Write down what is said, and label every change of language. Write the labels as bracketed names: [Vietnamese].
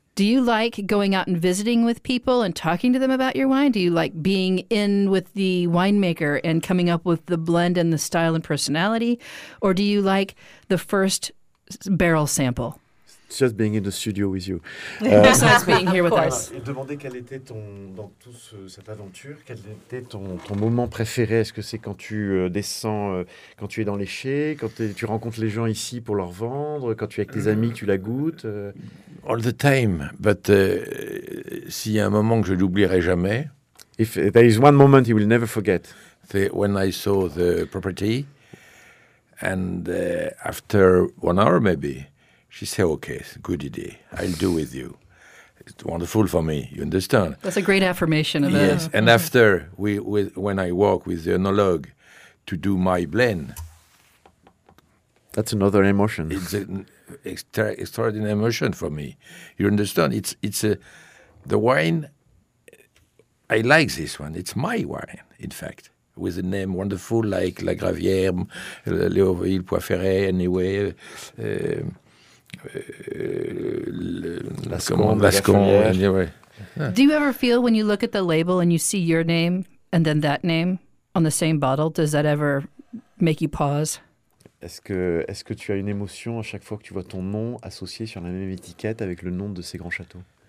[English] Do you like going out and visiting with people and talking to them about your wine? Do you like being in with the winemaker and coming up with the blend and the style and personality? Or do you like the first barrel sample? It's just being in the studio with you. Besides being here with us. [French] Il demandait quel était ton, dans tout cette aventure, quel était ton moment préféré? Est-ce que c'est quand tu descends, quand tu es dans les chais, quand tu rencontres les gens ici pour leur vendre, quand tu es avec tes amis, tu la goûtes [English] All the time, but [French] s'il y a un moment que je n'oublierai jamais. [English] If there is one moment he will never forget. when I saw the property. And after 1 hour, maybe, she said, okay, good idea. I'll do with you. It's wonderful for me, you understand? That's a great affirmation of it. Yes, and after, when I walk with the enologue to do my blend. That's another emotion. It's an extraordinary emotion for me. You understand? The wine, I like this one. It's my wine, in fact, with a name wonderful like La Gravière, Léoville Poiferré, anyway. Lascon, anyway. Do you ever feel when you look at the label and you see your name and then that name on the same bottle, does that ever make you pause? [French] Est-ce que tu as une émotion à chaque fois que tu vois ton nom associé sur la même étiquette avec le nom de ces grands châteaux?